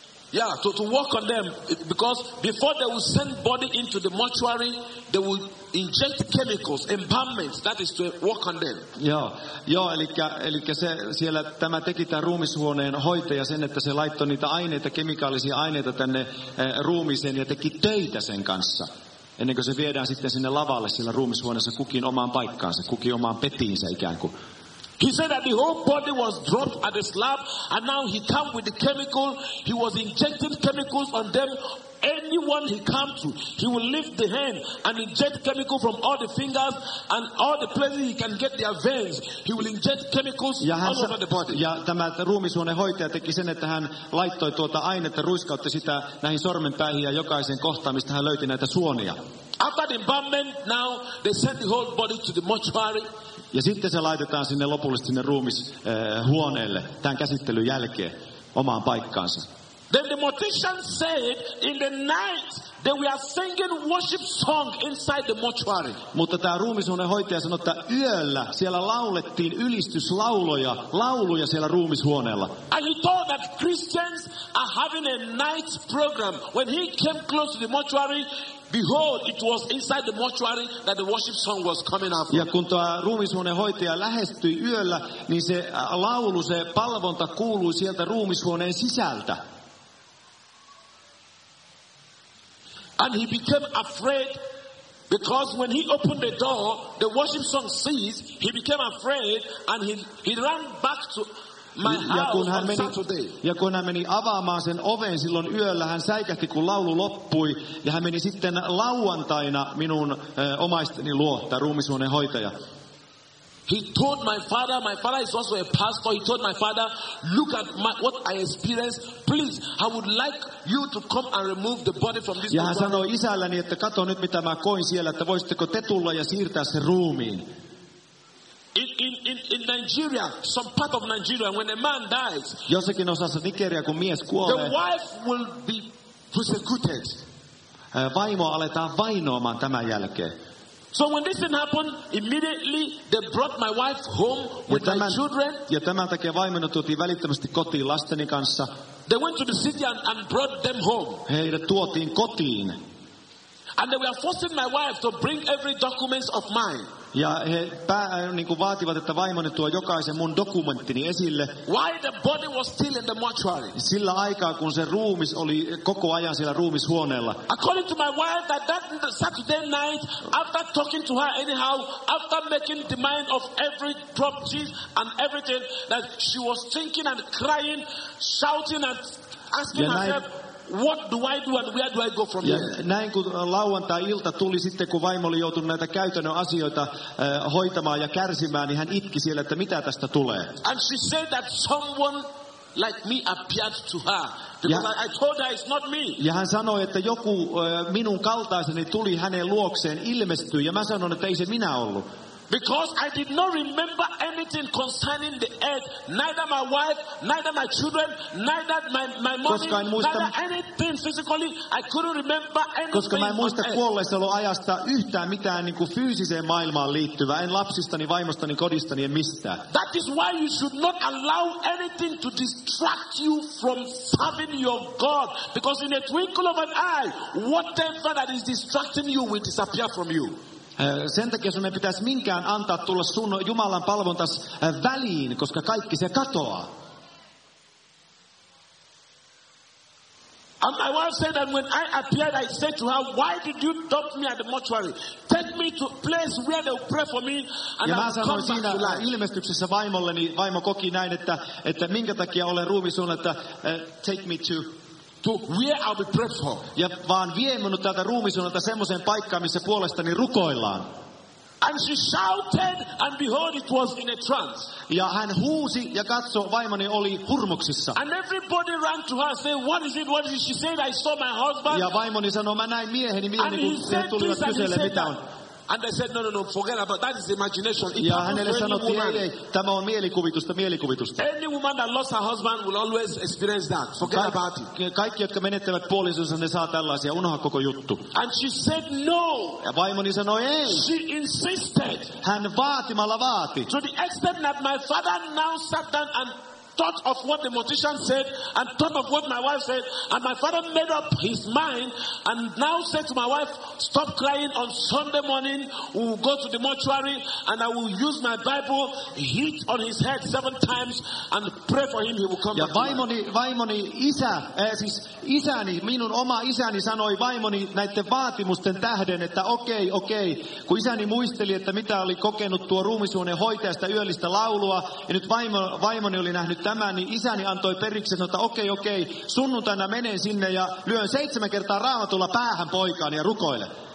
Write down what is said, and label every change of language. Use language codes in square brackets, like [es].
[en] Yeah, to walk on them, because before they will send body into the mortuary, they will inject chemicals, embalmments, that is to walk on them. [fi] Joo, eli siellä tämä teki tämän ruumishuoneen hoitaja sen, että se laittoi niitä aineita, kemikaalisia aineita tänne ruumiiseen ja teki töitä sen kanssa. Ennen kuin se viedään sitten sinne lavalle sillä ruumishuoneessa kukin omaan paikkaansa, kukin omaan petiinsä ikään kuin. [en] He said that the whole body was dropped at the slab, and now he came with the chemical. He was injecting chemicals on them. Anyone he came to, he will lift the hand and inject chemical from all the fingers and all the places he can get their veins. He will inject chemicals all over the body. [fi] Ja tämä ruumishuonehoitaja teki sen, että hän laittoi tuota ainetta, ruiskautti sitä näihin sormenpäihin ja jokaisen kohtaan, mistä hän löyti näitä suonia. [en] After the embalmment, now they sent the whole body to the mortuary. [fi] Ja sitten se laitetaan sinne lopullisesti sinne ruumishuoneelle tämän käsittelyn jälkeen omaan paikkaansa. [en] Then the magician said, in the night they were singing worship song inside the mortuary. [fi] Mutta tämä ruumishuonehoitaja sanoi, että yöllä siellä laulettiin ylistyslauloja, lauluja siellä ruumishuoneella. [en] And he thought that Christians are having a night program. When he came close to the mortuary, behold, it was inside the mortuary that the worship song was coming up. [fi] Ja kun tämä ruumishuonehoitaja lähestyi yöllä, niin se laulu, se palvonta kuului sieltä ruumishuoneen sisältä. [en] And he became afraid, because when he opened the door, the worship song ceased. He became afraid, and he ran back to my house on Saturday. [fi] Ja kun hän meni avaamaan sen oven silloin yöllä, hän säikähti, kun laulu loppui, ja hän meni sitten lauantaina minun omaisteni luo, tämä ruumishuoneen hoitaja. [en] He told my father is also a pastor, he told my father, look at what I experienced, please, I would like you to come and remove the body from this. [fi] Ja hän sanoi isälläni, että kato nyt mitä mä koin siellä, että voisitteko te tulla ja siirtää sen ruumiin. [en] In Nigeria, some part of Nigeria, when a man dies, [fi] jossakin osassa Nigeria, kun mies kuolee, [en] the wife will be persecuted. [fi] Vaimo aletaan vainoamaan tämän jälkeen. [en] So when this thing happened, immediately they brought my wife home with my children. [fi] Ja tämän takia vaimoni tuotiin välittömästi kotiin lasteni kanssa. [en] They went to the city and brought them home. [fi] Heidät tuotiin kotiin. [en] And they were forcing my wife to bring every documents of mine. [fi] Ja he niin kuin vaativat, että vaimoni tuo jokaisen mun dokumenttini esille. [en] Why the body was still in the mortuary? [fi] Sillä aikaa, kun se ruumis oli koko ajan siellä ruumishuoneella. [en] According to my wife, that Saturday night, after talking to her anyhow, after making the mind of every drop cheese and everything, that she was thinking and crying, shouting and asking herself, what do I do and where do I go from here? [fi] Näin kun lauantai-ilta tuli sitten, kun vaimo oli joutunut näitä käytännön asioita hoitamaan ja kärsimään, niin hän itki siellä, että mitä tästä tulee. [en] And she said that someone like me appeared to her. Because I told her it's not me. [fi] Ja hän sanoi, että joku minun kaltaiseni tuli hänen luokseen, ilmestyi, ja mä sanon, että ei se minä ollut. [en] Because I did not remember anything concerning the earth, neither my wife, neither my children, neither my money, neither anything physically. I couldn't remember anything. [fi] Koska mä en muista kuolleisoloajasta yhtään mitään niinku fyysiseen maailmaan liittyvää, en lapsistani, vaimostani, kodistani, en mistään. [en] That is why you should not allow anything to distract you from serving your God. Because in a twinkle of an eye, whatever that is distracting you will disappear from you. [fi] Sen takia sinun ei pitäisi minkään antaa tulla sun Jumalan palvontas väliin, koska kaikki se katoaa. [en] And my wife said that when I appeared, I said to her, why did you dump me at the mortuary? Take me to a place where they'll pray for me, and I'll come back to life. [fi] Ja ilmestyksessä vaimolleni, vaimo koki näin, että minkä takia olen ruumi sun, että [en] take me to where I'll be prayed for. [fi] Ja vaan vie minut täältä ruumisuunnalta semmoiseen paikkaan, missä puolestani rukoillaan. [en] And she shouted, and behold, it was in a trance. [fi] Ja hän huusi, ja katso, vaimoni oli hurmuksissa. [en] And everybody ran to her and said, what is it, what is it? She said, I saw my husband. [fi] Ja vaimoni sanoi, mä näin mieheni, mieheni, [en] and [fi] kun [en] he said, [fi] tulivat [en] please, [fi] kyselle, [en] and he [fi] mitä [en] said, [fi] on. [en] And they said, no, no, no, forget about that. That is imagination. [fi] Ja hänelle sanottiin, ei, tämä on mielikuvitusta, mielikuvitusta. [en] Any woman that lost her husband will always experience that. Forget about it. [fi] Kaikki, jotka menettävät puolisonsa, ne saa tällaisia. Unoha koko juttu. [en] And she said, no. [fi] Ja vaimoni sanoi, ei. [en] She insisted. [fi] Hän vaatimalla vaati. [en] To the extent that my father now sat down and thought of what the magician said, and thought of what my wife said, and my father made up his mind, and now said to my wife, stop crying, on Sunday morning, we will go to the mortuary, and I will use my Bible, hit on his head 7 times, and pray for him, he will come [fi] ja [en] back. [fi] Ja vaimoni, isä, siis isäni, minun oma isäni sanoi vaimoni näiden vaatimusten tähden, että okei, kun isäni muisteli, että mitä oli kokenut tuo ruumisuuden hoitajasta yöllistä laulua, ja nyt vaimoni oli nähnyt tämän, niin isäni antoi periksi, että okei, sunnuntaina menen sinne ja lyön 7 kertaa raamatulla päähän poikaan ja rukoilen.